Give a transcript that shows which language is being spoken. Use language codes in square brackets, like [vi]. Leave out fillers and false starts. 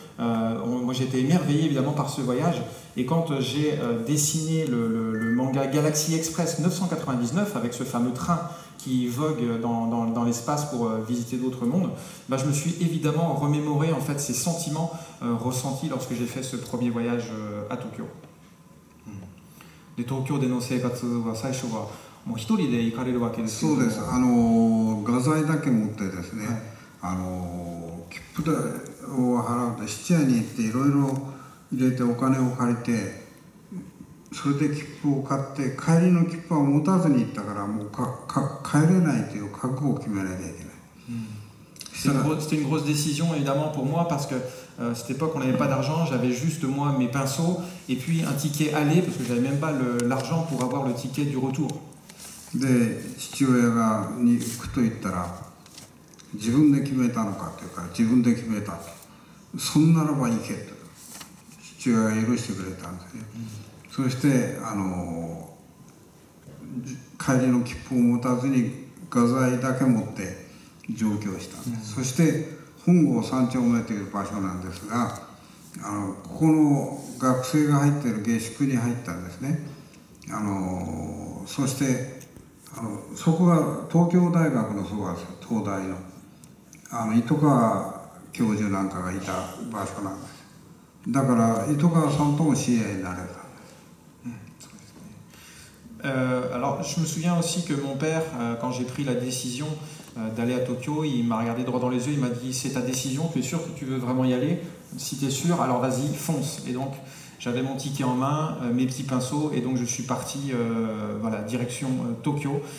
[fr] Moi j'étais émerveillé évidemment par ce voyage, et quand j'ai dessiné le manga Galaxy Express 999 avec ce fameux train qui vogue dans l'espace pour visiter d'autres mondes, bah, je me suis évidemment remémoré en fait ces sentiments ressentis lorsque j'ai fait ce premier voyage à Tokyo. [ja] De Tokyo de nos épatsu wa saisho wa もう一人で行かれるわけですけど、そうです、あの画材だけ持ってですね、はい、あの切符を払うと質屋に行っていろいろ入れてお金を借りてそれで切符を買って帰りの切符は持たずに行ったからもうか帰れないという覚悟を決めなきゃいけない。 [fr] C'était une grosse décision évidemment pour moi parce que cette époque on n'avait pas d'argent, j'avais juste moi mes pinceaux et puis un ticket aller parce que j'avais même pas l'argent pour avoir le ticket du retour. [ja] で父親がに行くと言ったら自分で決めたのかというか自分で決めたと、そんならば行けと父親が許してくれたんですね、うん、そしてあの帰りの切符を持たずに画材だけ持って上京したんです、うん、そして本郷三丁目という場所なんですが、あのここの学生が入っている下宿に入ったんですね。あのそしてあのそこが東京大学のそばです、東大 の, あの糸川教授なんかがいた場所なんです。だから糸川さんとも知り合いになれたんです。 [fr] Alors, je me souviens aussi que mon père, quand j'ai pris la décision d'aller à Tokyo, il m'a regardé droit dans les yeux, il m'a dit « C'est ta décision, tu es sûr que tu veux vraiment y aller ? Si tu es sûr, alors vas-y, fonce !» Et donc, j'avais mon ticket en main, mes petits pinceaux, et donc je suis parti voilà, direction Tokyo.